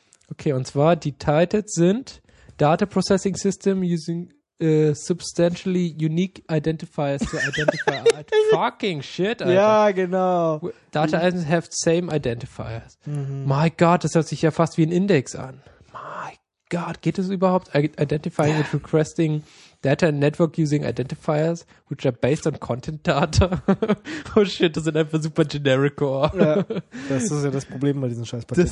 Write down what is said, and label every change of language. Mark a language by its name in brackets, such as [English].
[English] Okay, [German] und zwar die Titles sind [English] Data Processing System using substantially unique identifiers to identify fucking shit, Alter. [German] Ja, genau. [English] Data items have same identifiers. Mhm. My God, [German] das hört sich ja fast wie ein Index an. My God, geht das überhaupt? [English] Identifying and requesting data in network using identifiers which are based on content data. [German] Oh shit, das sind einfach super generic core. Ja, das ist ja das Problem bei diesen scheiß Patenten.